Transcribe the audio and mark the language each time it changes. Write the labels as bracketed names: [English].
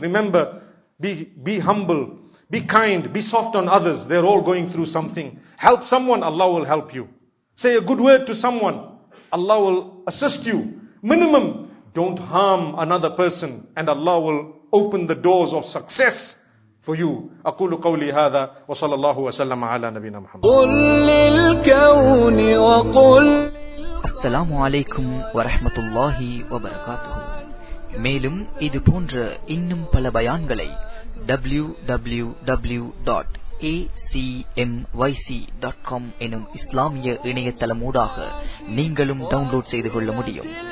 [English] Remember, be humble, be kind, be soft on others. They're all going through something. Help someone, Allah will help you. Say a good word to someone, Allah will assist you. Minimum, don't harm another person, and Allah will open the doors of success for you. [Arabic] أقول قولي هذا وصلى الله وسلم على نبينا محمد. قل للكون وقل. அஸ்ஸலாமு அலைக்கும் வரஹ்மத்துல்லாஹி வபரகாத்துஹு. [Tamil] மேலும் இது போன்ற இன்னும் பல பயான்களை www.acmyc.com எனும் இஸ்லாமிய இணையதளம் ஊடாக நீங்களும் டவுன்லோட் செய்து கொள்ள முடியும்.